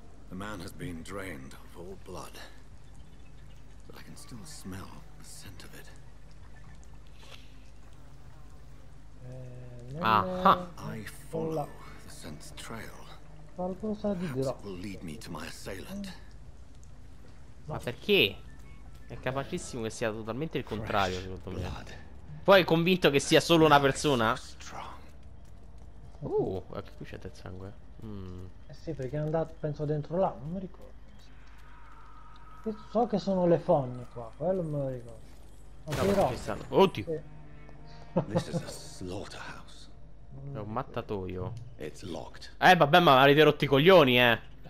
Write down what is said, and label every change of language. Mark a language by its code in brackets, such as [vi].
[en] The man has been drained of all blood. But I can still smell the scent of it. I follow the scent's trail. [it] Qualcosa di grosso. [en] Will lead me to my assailant. [it] Ma perché? È capacissimo che sia totalmente il contrario, secondo me. Poi è convinto che sia solo una persona? Anche qui c'è del sangue. Eh sì, perché è andato, penso, dentro là, non mi ricordo. Io so che sono le fogne qua, quello me lo ricordo. No, oddio! [en] This is a slaughterhouse. [it] È un mattatoio. [en] It's locked. [it] Vabbè, ma avete rotto i coglioni, eh!